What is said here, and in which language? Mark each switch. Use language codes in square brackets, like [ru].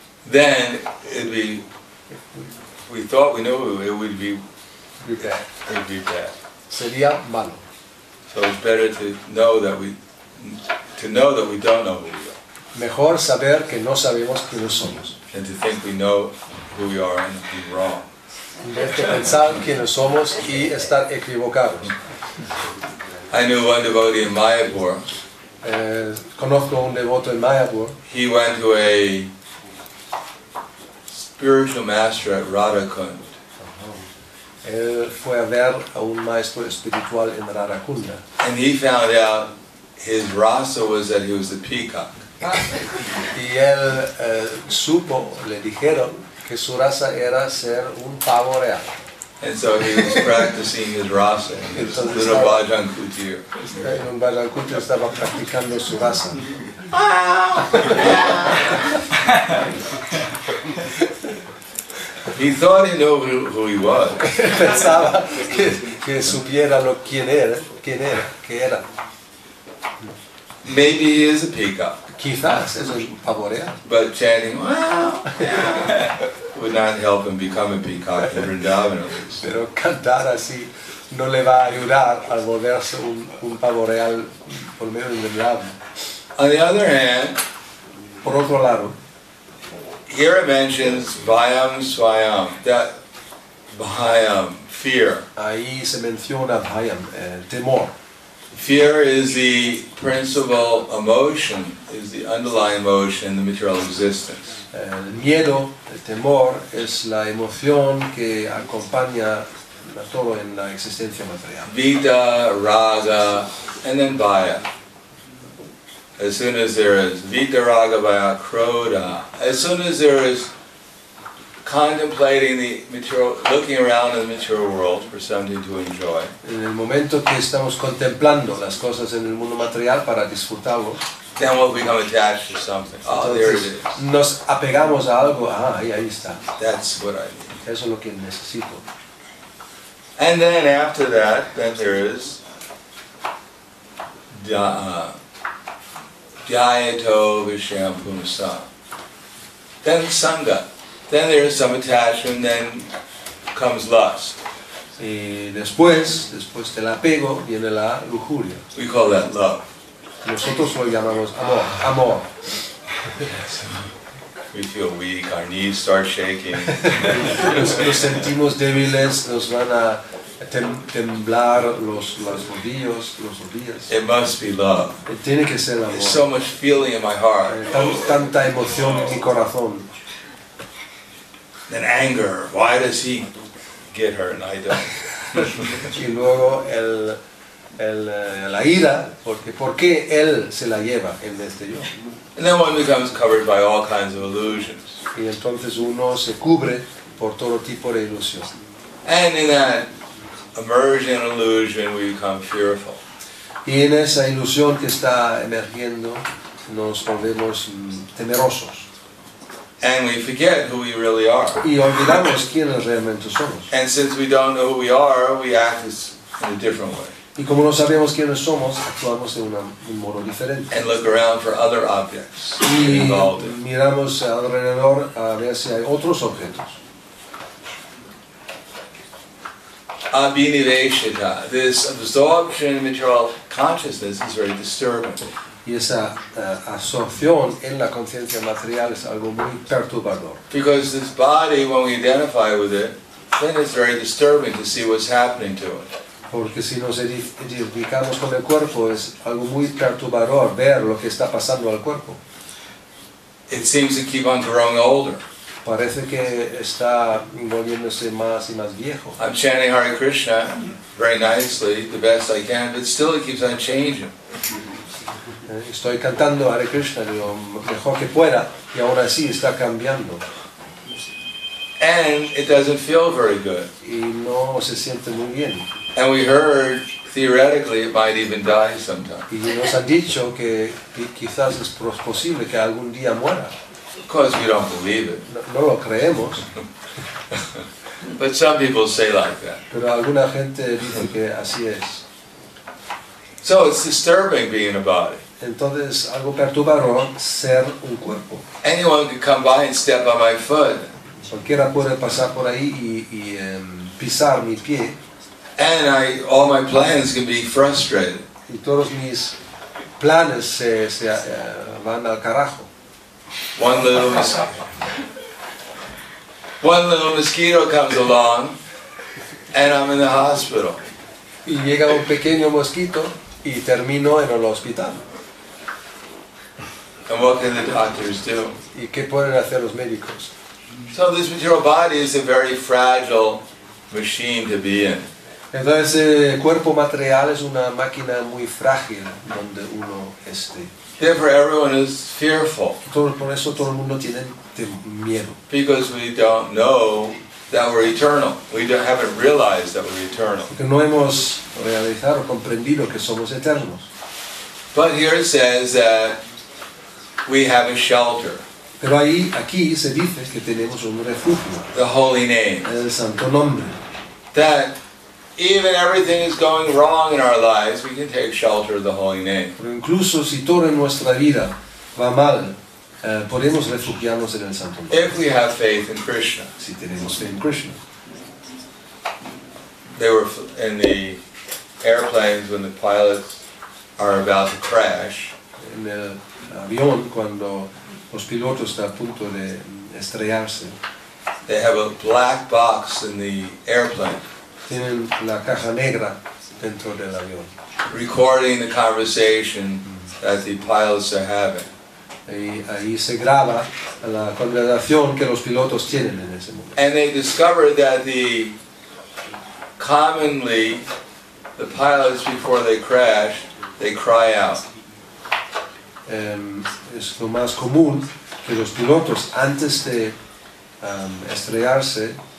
[en] then it'd be, we thought we knew it would be bad. It'd be bad. [es] Sería malo. [en] So it's better to know that we don't know who we are. [es] Mejor saber que no sabemos quiénes somos. [en] And to think we know who we are and be wrong. [es] En vez de pensar quiénes somos y estar equivocados. [en] I knew one devotee in Mayapur. [es] Conozco un devoto en Mayapur. [en] He went to a spiritual master at Radhakund. Uh-huh. [es] Él fue a ver a un maestro espiritual en Radhakunda. [en] And he found out his rasa was that he was a peacock. [es] Y él supo, le dijeron, que su raza era ser un pavo real. [en] And so he was practicing his rasa. He was a little bhajan kutir. [es] En un bhajan kutir estaba practicando su rasa. [en] He thought he knew who he was. [es] Pensaba que supiera lo quién era. [en] Maybe he is a peacock. [es] Quizás es un pavo real. [en] But chanting, wow. Would not help him become a peacock in Vrindavan. [es] Pero cantar así no le va a ayudar a volverse un pavo real por medio de Vrindavan. [en] On the other hand, [es] por otro lado, [en] here it mentions vayam swayam, that vayam, fear. [es] Ahí se menciona vayam, temor. [en] Fear is the principal emotion, is the underlying emotion in the material existence. [es] El miedo, el temor, es la emoción que acompaña a todo en la existencia material. [en] Vida, raga, and then vaya. As soon as there is vida, raga, vaya, krodha. As soon as there is contemplating the material, looking around in the material world for something to enjoy. [es] En el momento que estamos contemplando las cosas en el mundo material para disfrutarlo, [en] then we'll become attached to something. Oh, [es] entonces, [en] there it is. [es] Nos apegamos a algo. Ah, ahí está. [en] That's what I need. [es] Eso es lo que necesito. [en] And then after that, then there is dhyayato visham pumasa. Then sangha. Then there is some attachment. Then comes lust. [es] Y después del apego viene la lujuria. [en] We call that love. [es] Nosotros lo llamamos amor. Amor. [en] We feel weak. Our knees start shaking. [es] Nos sentimos débiles. Nos van a temblar los rodillos, los rodillas. [en] It must be love. [es] Tiene que ser amor. [en] There's so much feeling in my heart. [es] Tanta emoción en mi corazón. [en] Then anger. Why does he get her and I don't? [es] Y luego la ira, ¿por qué él se la lleva en vez de yo? [en] And then one becomes covered by all kinds of illusions. [es] Y entonces uno se cubre por todo tipo de ilusión. [en] And in that emerging illusion, we become fearful. [es] Y en esa ilusión que está emergiendo, nos volvemos temerosos. [en] And we forget who we really are. [es] Y olvidamos quiénes realmente somos. [en] And since we don't know who we are, we act in a different way. [es] Y como no sabemos quiénes somos, actuamos de un modo diferente. [en] And look around for other objects. [es] Y miramos alrededor a ver si hay otros objetos. [en] Abhinivesha, this absorption in material consciousness is very disturbing. [es] Y esa absorción en la conciencia material es algo muy perturbador. [en] Because this body, when we identify with it, then it's very disturbing to see what's happening to it. [es] Porque si nos identificamos con el cuerpo es algo muy perturbador ver lo que está pasando al cuerpo. [en] It seems to keep on growing older. [es] Parece que está volviéndose más y más viejo. [en] I'm chanting Hare Krishna very nicely, the best I can, but still it keeps on changing. [es] Estoy cantando Hare Krishna lo mejor que pueda y ahora sí está cambiando. [en] And it doesn't feel very good. [es] Y no se siente muy bien. [en] And we heard theoretically it might even die sometime. [es] Y nos han dicho que quizás es posible que algún día muera. [en] Because we don't believe it. [es] No lo creemos. [en] But some people say like that. [es] Pero alguna gente dice que así es. [en] So it's disturbing being a body. [es] Entonces, algo perturbador ser un cuerpo. [en] Anyone could come by and step on my foot. [es] Cualquiera puede pasar por ahí y pisar mi pie. [en] And all my plans can be frustrated. [es] Y todos mis planes se van al carajo. [en] One little mosquito comes along, and I'm in the hospital. [es] Y llega un pequeño mosquito y termino en el hospital. [en] And what can the doctors do? [es] ¿Y qué pueden hacer los médicos? [en] So this material body is a very fragile machine to be in. [es] Entonces el cuerpo material es una máquina muy frágil donde uno esté. [en] Therefore, everyone is fearful. [es] Por eso todo el mundo tiene miedo. [en] Because we don't know that we're eternal. We haven't realized that we're eternal. [es] Porque no hemos realizado, comprendido que somos eternos. [en] But here it says that we have a shelter. [es] Pero ahí, aquí se dice que tenemos un refugio. [en] The holy name. [es] El santo nombre. [en] That even everything is going wrong in our lives, we can take shelter of the holy name. [es] Pero incluso si todo en nuestra vida va mal, podemos refugiarnos en el santo nombre. [en] If we have faith in Krishna. [es] Si tenemos fe en Krishna. [en] They were in the airplanes when the pilots are about to crash. [es] En el avión cuando los pilotos están a punto de estrellarse. [en] They have a black box in the airplane. [es] Tienen la caja negra dentro del avión. [en] Recording the conversation that the pilots are having. [es] Y ahí se graba la conversación que los pilotos tienen en ese momento. [en] And they discover that the pilots before they crash, they cry out. [es] Es lo más común que los pilotos antes de estrellarse